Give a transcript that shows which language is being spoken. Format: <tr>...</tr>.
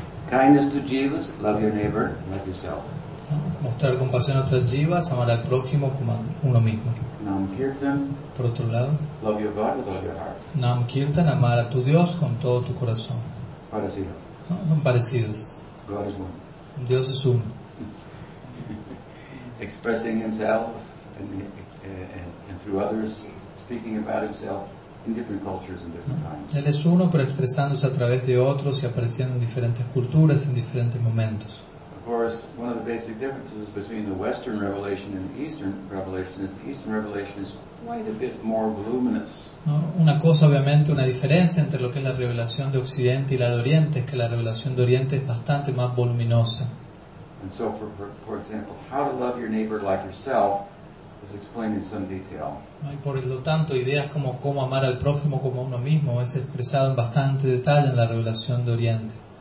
<en>kindness to jivas, love your neighbor like yourself,</en> <es>mostrar compasión a otras jivas, amar al prójimo como a uno mismo.</es> <sa>Nam kirtan,</sa> <es>por otro lado,</es> <en>love your God with all your heart.</en> <es>Nam kirtan, amar a tu Dios con todo tu corazón. Parecido. No, son parecidos.</es> <en>God is one.</en> <es>Dios es uno.</es> <en>Expressing himself and through others, speaking about himself in different cultures and different times.</en> <es>Él es uno, pero expresándose a través de otros y apareciendo en diferentes culturas en diferentes momentos.</es> <en>Of course, one of the basic differences between the Western Revelation and the Eastern Revelation is the Eastern Revelation is quite a bit more voluminous.</en> <es>No, una cosa obviamente, una diferencia entre lo que es la revelación de Occidente y la de Oriente es que la revelación de Oriente es bastante más voluminosa.</es> <en>And so, for example, how to love your neighbor like yourself is explained in some detail.</en> <es>Y por lo tanto, ideas como cómo amar al prójimo como a uno mismo es expresado en bastante detalle en la revelación de Oriente.</es>